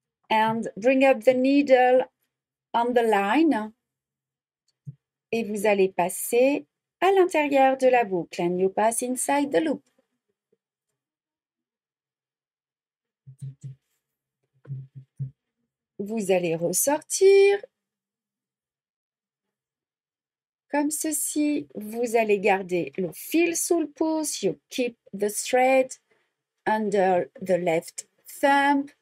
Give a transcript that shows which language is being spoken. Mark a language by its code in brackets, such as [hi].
[en] And bring up the needle on the line. [fr] Et vous allez passer à l'intérieur de la boucle. [en] And you pass inside the loop. [fr] vous allez ressortir. Comme ceci, vous allez garder le fil sous le pouce. [en] You keep the thread under the left thumb.